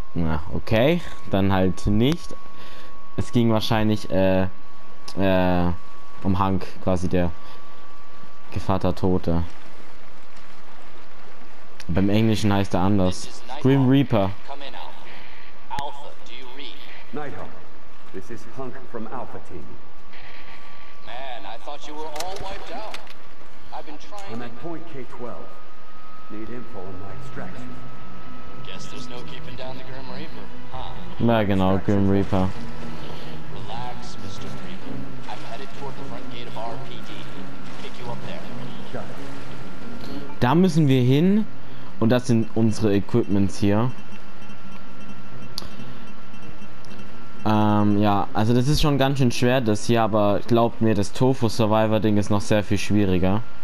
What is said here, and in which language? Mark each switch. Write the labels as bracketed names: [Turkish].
[German] Na, okay, dann halt nicht. Es ging wahrscheinlich um Hank, quasi der Gevater Tote. Beim Englischen heißt er anders. [English] Grim Reaper. Come in, Alpha. Alpha, do you read? Nighthawk, this is Hank from Alpha Team. Man, I thought you were all wiped out. I've been trying. I'm at point K12. Need info on my extraction. Guess there's no keeping down the Grim Reaper, huh? [German] Na genau, [English] Grim Reaper. Relax, Mr. Reaper. I'm headed toward the front gate of RPD. Pick you up there. [German] Da müssen wir hin. Und das sind unsere Equipments hier. Ja, also das ist schon ganz schön schwer, das hier, aber glaubt mir, das Tofu-Survivor-Ding ist noch sehr viel schwieriger.